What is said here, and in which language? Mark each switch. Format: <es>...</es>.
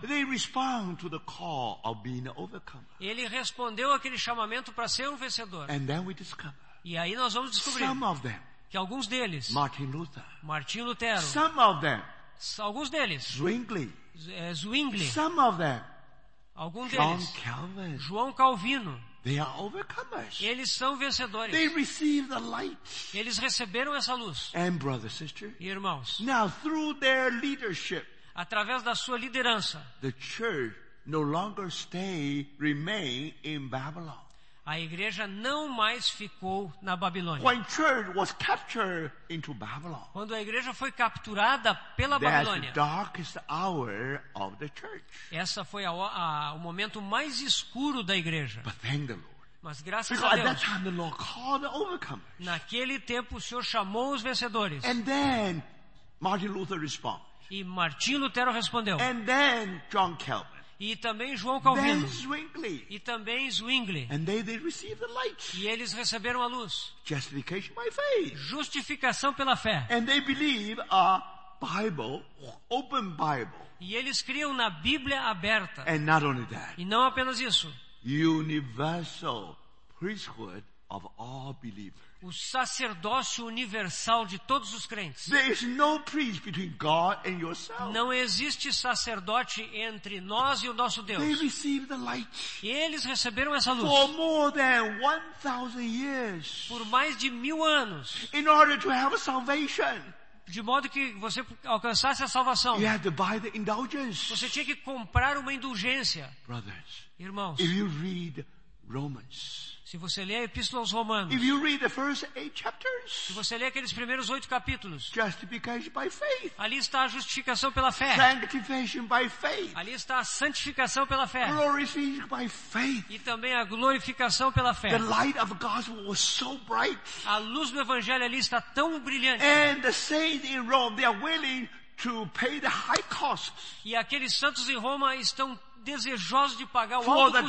<en>they respond to the call of being an overcomer.</en> <pt>Ele respondeu aquele chamamento para ser um vencedor.</pt> <en>And then we discover,</en> <pt>e aí nós vamos descobrir</pt> <en>some of them,</en> <pt>que alguns deles, Martin Lutero,</pt> <en>some of them,</en> <pt>alguns deles,</pt> <en>Zwingli, some of them,</en> <pt>alguns deles,</pt> <en>João Calvino. They are overcomers.</en> <pt>Eles são vencedores.</pt> <en>They receive the light.</en> <pt>Eles receberam essa luz.</pt> <en>And brothers, sister,</en> <pt>e irmãos.</pt> <en>Now through their leadership,</en> <pt>através da sua liderança,</pt> <en>the church no longer remain in Babylon.</en> <pt>A igreja não mais ficou na Babilônia.</pt> <en>When church was captured into Babylon,</en> <pt>quando a igreja foi capturada pela Babilônia,</pt> <en>the darkest hour of the church.</en> <pt>Essa foi o momento mais escuro da igreja.</pt> <en>But thank the Lord.</en> <pt>Mas graças</pt> <en>Because</en> <pt>a Deus,</pt> <en>at that time the Lord called the overcomers.</en> <pt>Naquele tempo o Senhor chamou os vencedores.</pt> <en>And then Martin Luther responded.</en> <pt>E Martin Lutero respondeu.</pt> <en>And then John Calvin.</en> <pt>E também João Calvino.</pt> <en>Zwingli.</en> <pt>E também Zwingli.</pt> <en>And they received the light.</en> <pt>E eles receberam a luz.</pt> <en>Justification by faith.</en> <pt>Justificação pela fé.</pt> <en>And they believe a Bible, open Bible.</en> <pt>E eles criam na Bíblia aberta.</pt> <en>And not only that.</en> <pt>E não apenas isso.</pt> <en>Universal priesthood of all believers.</en> <pt>O sacerdócio universal de todos os crentes.</pt> <en>There is no priest between God and yourself.</en> <pt>Não existe sacerdote entre nós e o nosso Deus.</pt> <en>They received the light.</en> <pt>Eles receberam essa luz.</pt> <en>For more than 1,000 years.</en> <pt>Por mais de 1,000 anos.</pt> <en>In order to have a salvation.</en> <pt>De modo que você alcançasse a salvação.</pt> <en>You had to buy the indulgence.</en> <pt>Você tinha que comprar uma indulgência.</pt> <en>Brothers,</en> <pt>irmãos.</pt> <en>If you read Romans.</en> <pt>Se você ler a Epístola aos Romanos.</pt> <en>If you read the first eight chapters.</en> <pt>Se você ler aqueles primeiros oito capítulos.</pt> <en>Justification by faith.</en> <pt>Ali está a justificação pela fé.</pt> <en>Sanctification by faith.</en> <pt>Ali está a santificação pela fé.</pt> <en>Glorification by faith.</en> <pt>E também a glorificação pela fé.</pt> <en>The light of gospel was so bright.</en> <pt>A luz do evangelho ali está tão brilhante.</pt> <en>And the saints in Rome, they are willing to pay the high costs.</en> <pt>E aqueles santos em Roma estão desejosos de pagar o alto custo.</pt>